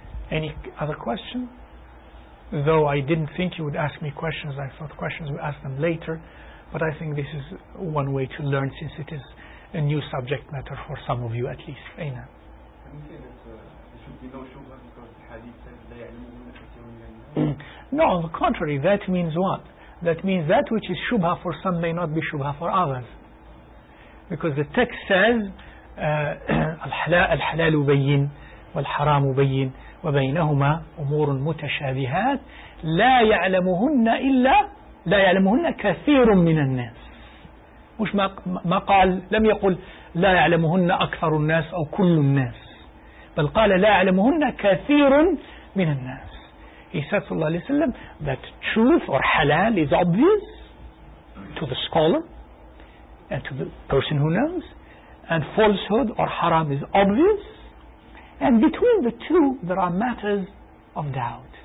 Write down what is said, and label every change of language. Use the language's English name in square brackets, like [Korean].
[English] Any other question? Though I didn't think you would ask me questions, I thought questions would ask them later, but I think this is one way to learn, since it is a new subject matter for some of you at least. Aina. Can you say that there should be no shubha because hadith says they are limited? No, on the contrary, that means what? That means that which is shubha for some may not be shubha for others. Because the text says, [Arabic] الحلال بين والحرام بين وبينهما أمور متشابهات لا يعلمهن إلا لا يعلمهن كثير من الناس. مش ما قال, لم يقل لا يعلمهن أكثر الناس أو كل الناس, بل قال لا أعلمهن كثير من الناس. [English] He said [Arabic] صلى الله عليه وسلم [English] that truth or halal is obvious to the scholar and to the person who knows, and falsehood or haram is obvious, and between the two there are matters of doubt.